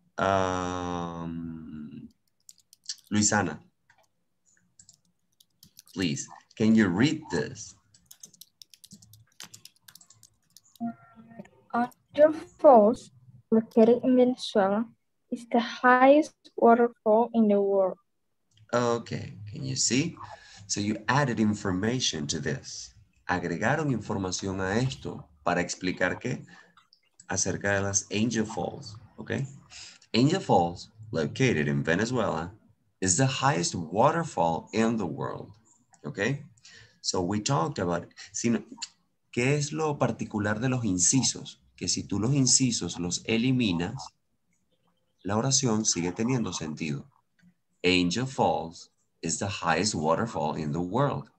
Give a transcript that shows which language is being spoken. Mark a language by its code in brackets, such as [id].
[en] Luisana, please. Can you read this? Niagara Falls, located in Venezuela, is the highest waterfall in the world. Okay, can you see? So you added information to this. [es] Agregaron información a esto para explicar qué acerca de las Angel Falls, okay? [en] Angel Falls, located in Venezuela, is the highest waterfall in the world, okay? So we talked about, [es] ¿qué es lo particular de los incisos? Que si tú los incisos los eliminas, la oración sigue teniendo sentido. [en] Angel Falls is the highest waterfall in the world.